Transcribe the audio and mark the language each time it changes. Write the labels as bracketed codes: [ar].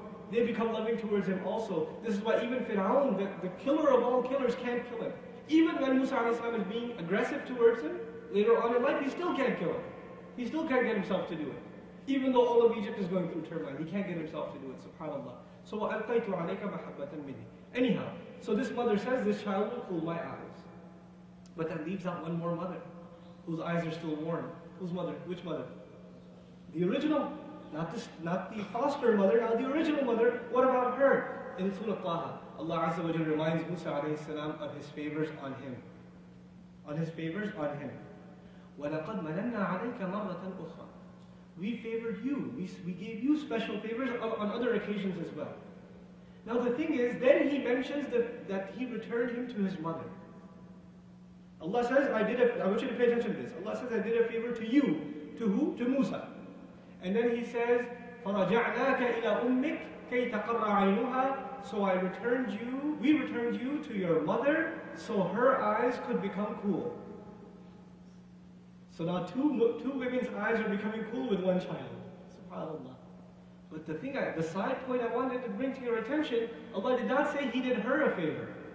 [en] They become loving towards him also. This is why even Fir'aun, the killer of all killers, can't kill him. Even when Musa alayhi salam is being aggressive towards him, later on in life, he still can't kill him. He still can't get himself to do it. Even though all of Egypt is going through turmoil, he can't get himself to do it, subhanAllah. [ar] So وَأَلْقَيْتُ عَلَيْكَ مَحَبَّةً مِنِّي. [en] Anyhow, so this mother says, this child will cool my eyes. But that leaves out one more mother, whose eyes are still warm. Whose mother? Which mother? The original. Not the foster mother, now the original mother. What about her? In Surah Taha, Allah Azza wa Jalla reminds Musa alayhi salam of his favors on him. On his favors on him. [ar] وَلَقَدْ مَنَنَّا عَلَيْكَ مَرَّةً أُخْرَى. [en] We favored you. We gave you special favors on other occasions as well. Now the thing is, then he mentions that he returned him to his mother. Allah says, I want you to pay attention to this. Allah says, I did a favor to you. To who? To Musa. And then he says, [ar] فَرَجَعْنَاكَ إِلَىٰ أُمِّكَ كَيْ تَقَرَّ عَيْنُهَا. [en] So I returned you, we returned you to your mother so her eyes could become cool. So now two women's eyes are becoming cool with one child. SubhanAllah. But the side point I wanted to bring to your attention, Allah did not say he did her a favor.